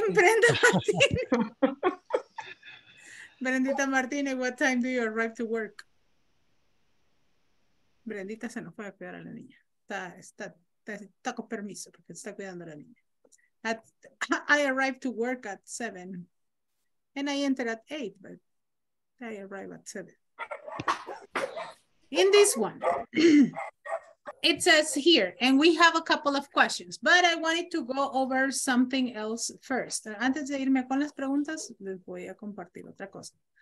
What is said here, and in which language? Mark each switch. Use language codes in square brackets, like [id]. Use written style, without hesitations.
[en] Emprenda Martínez. Brendita Martínez, what time do you arrive to work? [es] Brendita se nos puede cuidar a la niña. Está con permiso porque está cuidando a la niña. [en] I arrive to work at 7. And I enter at 8, but I arrive at 7. In this one, it says here, and we have a couple of questions, but I wanted to go over something else first. [es] Antes de irme con las preguntas, les voy a compartir otra cosa.